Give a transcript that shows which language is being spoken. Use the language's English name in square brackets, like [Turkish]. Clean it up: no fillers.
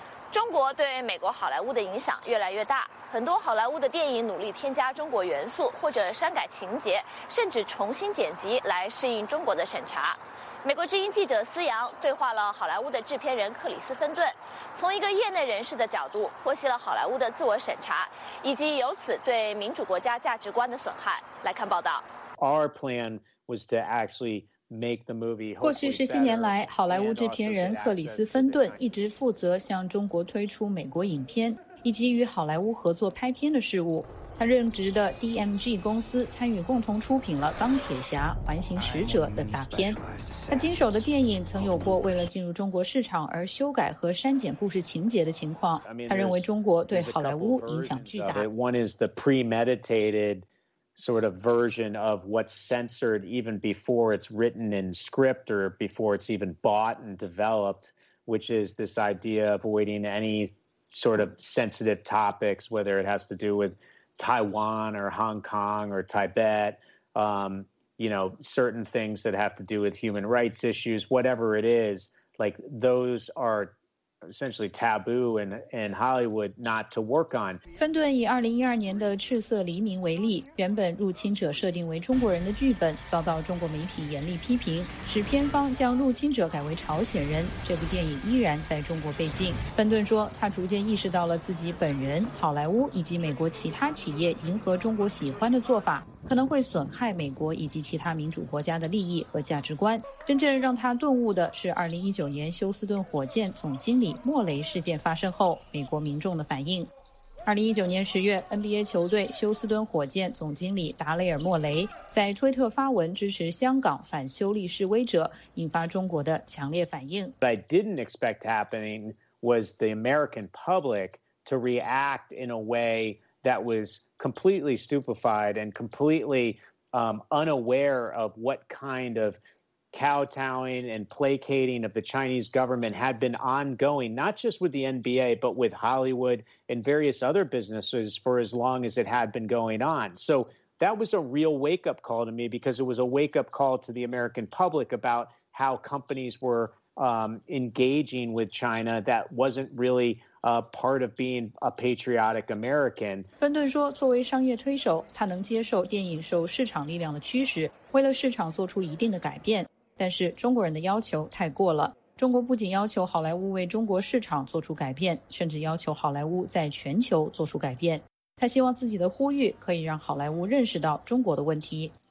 [Chinese] 中国对美国好莱坞的影响越来越大，很多好莱坞的电影努力添加中国元素，或者删改情节，甚至重新剪辑来适应中国的审查。美国之音记者思阳对话了好莱坞的制片人克里斯芬顿，从一个业内人士的角度剖析了好莱坞的自我审查以及由此对民主国家价值观的损害。来看报道。 [English] Our plan was to actually make the movie. [Chinese] 过去十七年来，好莱坞制片人克里斯·芬顿一直负责向中国推出美国影片以及与好莱坞合作拍片的事务。他任职的 DMG 公司参与共同出品了《钢铁侠》《环形使者》等大片。他经手的电影曾有过为了进入中国市场而修改和删减故事情节的情况。他认为中国对好莱坞影响巨大。 [English] One is the premeditated. Sort of version of what's censored even before it's written in script or before it's even bought and developed, which is this idea of avoiding any sort of sensitive topics, whether it has to do with Taiwan or Hong Kong or Tibet, you know, certain things that have to do with human rights issues, whatever it is, like those are. Essentially taboo in Hollywood not to work on. [Chinese] 芬顿以2012年的《赤色黎明》为例，原本入侵者设定为中国人的剧本遭到中国媒体严厉批评，使片方将入侵者改为朝鲜人。这部电影依然在中国被禁。芬顿说，他逐渐意识到了自己本人、好莱坞以及美国其他企业迎合中国喜欢的做法。可能会损害美国以及其他民主国家的利益和价值观。真正让他顿悟的是2019年休斯顿火箭总经理莫雷事件发生后，美国民众的反应。 2019年10月 NBA 球队休斯敦火箭总经理达雷尔莫雷在推特发文支持香港反修例示威者，引发中国的强烈反应。 [English] What I didn't expect happening was the American public to react in a way that was completely stupefied and completely unaware of what kind of kowtowing and placating of the Chinese government had been ongoing, not just with the NBA, but with Hollywood and various other businesses for as long as it had been going on. So that was a real wake-up call to me, because it was a wake-up call to the American public about how companies were engaging with China that wasn't really part of being a patriotic American. [Chinese] 芬顿说，作为商业推手，他能接受电影受市场力量的驱使，为了市场做出一定的改变。但是中国人的要求太过了。中国不仅要求好莱坞为中国市场做出改变，甚至要求好莱坞在全球做出改变。他希望自己的呼吁可以让好莱坞认识到中国的问题。